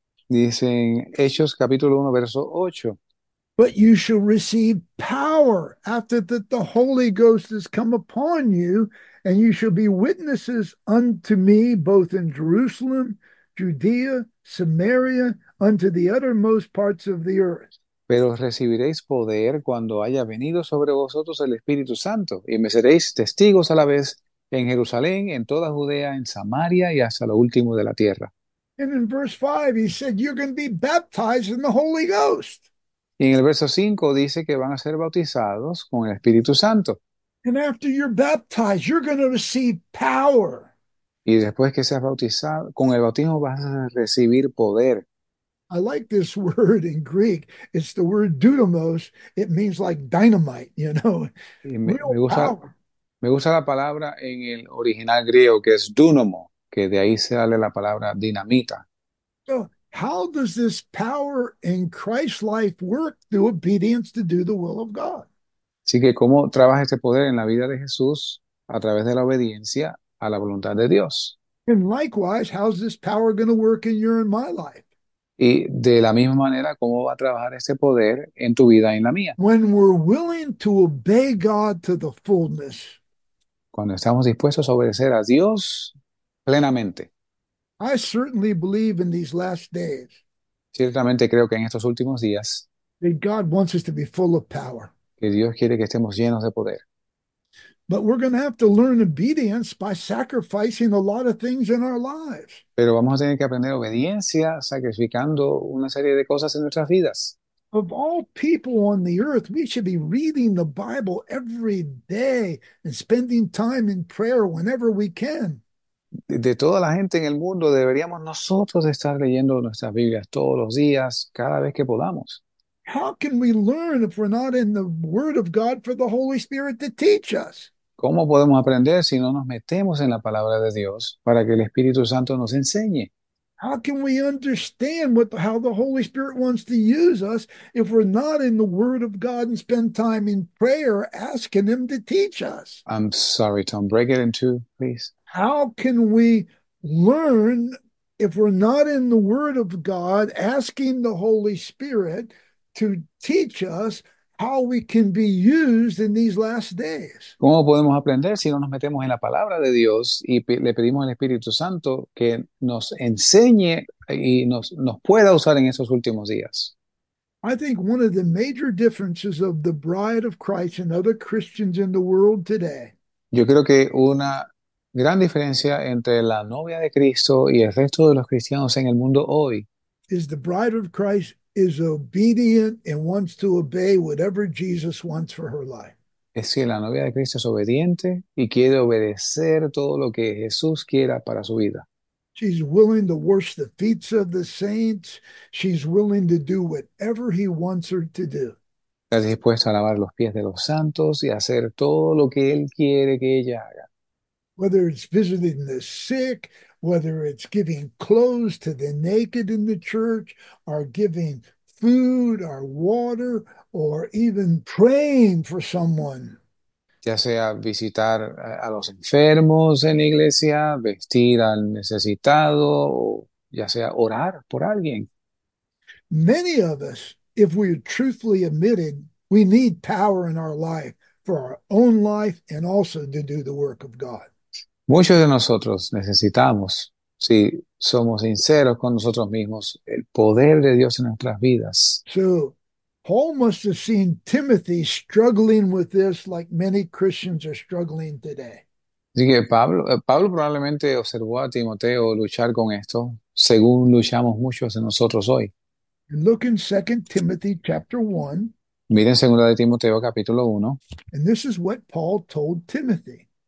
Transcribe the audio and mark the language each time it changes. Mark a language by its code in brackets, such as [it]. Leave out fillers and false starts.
[es] Dicen Hechos capítulo 1, verso 8. [en] But you shall receive power after that the Holy Ghost has come upon you, and you shall be witnesses unto me both in Jerusalem, Judea, Samaria, unto the uttermost parts of the earth. [es] Pero recibiréis poder cuando haya venido sobre vosotros el Espíritu Santo y me seréis testigos a la vez en Jerusalén, en toda Judea, en Samaria y hasta lo último de la tierra. [en] And in verse 5, he said, you're going to be baptized in the Holy Ghost. [es] Y en el verso 5 dice que van a ser bautizados con el Espíritu Santo. [en] And after you're baptized, you're going to receive power. [es] Y después que seas bautizado, con el bautismo vas a recibir poder. [en] I like this word in Greek. It's the word dunamos. It means like dynamite, [es] Y [en] real power. [es] me gusta la palabra en el original griego que es dunamo, que de ahí sale la palabra dinamita. [en] So, how does this power in Christ's life work through obedience to do the will of God? [es] Así que, ¿cómo trabaja este poder en la vida de Jesús a través de la obediencia a la voluntad de Dios? [en] And likewise, how's this power going to work in your and my life? [es] Y de la misma manera, ¿cómo va a trabajar este poder en tu vida y en la mía? [en] When we're willing to obey God to the fullness. [es] Cuando estamos dispuestos a obedecer a Dios plenamente. [en] I certainly believe in these last days [es] Ciertamente creo que en estos últimos días, [en] that God wants us to be full of power. [es] que Dios quiere que estemos llenos de poder. [en] But we're going to have to learn obedience by sacrificing a lot of things in our lives. [es] Pero vamos a tener que aprender obediencia sacrificando una serie de cosas en nuestras vidas. [en] Of all people on the earth, we should be reading the Bible every day and spending time in prayer whenever we can. [es] De toda la gente en el mundo deberíamos nosotros estar leyendo nuestras Biblias todos los días, cada vez que podamos. [en] How can we learn if we're not in the Word of God for the Holy Spirit to teach us? [es] ¿Cómo podemos aprender si no nos metemos en la palabra de Dios para que el Espíritu Santo nos enseñe? [en] How can we understand how the Holy Spirit wants to use us if we're not in the Word of God and spend time in prayer asking Him to teach us? I'm sorry, Tom, break it in two, please. How can we learn if we're not in the Word of God asking the Holy Spirit to teach us how we can be used in these last days? [es] ¿Cómo podemos aprender si no nos metemos en la palabra de Dios y le pedimos al Espíritu Santo que nos enseñe y nos pueda usar en esos últimos días? [en] I think one of the major differences of the Bride of Christ and other Christians in the world today. [es] Yo creo que una gran diferencia entre la novia de Cristo y el resto de los cristianos en el mundo hoy. [en] Is the Bride of Christ is obedient and wants to obey whatever Jesus wants for her life. [es] Es que la novia de Cristo es obediente y quiere obedecer todo lo que Jesús quiera para su vida. [en] She's willing to wash the feet of the saints. She's willing to do whatever he wants her to do. [es] Está dispuesta a lavar los pies de los santos y hacer todo lo que Él quiere que ella haga. [en] Whether it's visiting the sick, whether it's giving clothes to the naked in the church, or giving food or water, or even praying for someone. [es] Ya sea visitar a los enfermos en la iglesia, vestir al necesitado, ya sea orar por alguien. [en] Many of us, if we're truthfully admitted, we need power in our life for our own life and also to do the work of God. [es] Muchos de nosotros necesitamos, si somos sinceros con nosotros mismos, el poder de Dios en nuestras vidas. [en] So, Paul must have seen Timothy struggling with this like many Christians are struggling today. [es] Así que Pablo probablemente observó a Timoteo luchar con esto, según luchamos muchos de nosotros hoy. [en] Look in 2 Timothy chapter 1, [es] Miren 2 de Timoteo capítulo 1. [en] and this is what Paul told Timothy